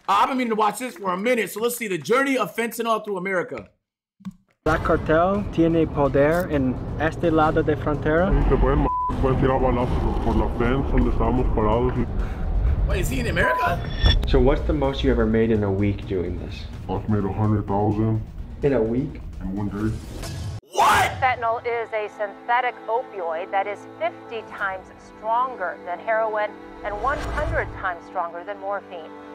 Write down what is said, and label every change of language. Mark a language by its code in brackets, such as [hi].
[en] I've been meaning to watch this for a minute, so let's see the journey of fentanyl through America. [es] La cartel tiene poder en este lado de frontera. Pueden tirar balazos por la fence donde estábamos parados. [en] Wait, is he in America? So what's the most you ever made in a week doing this? I've made 100,000. In a week? In one day. What? Fentanyl is a synthetic opioid that is 50 times stronger than heroin and 100 times stronger than morphine.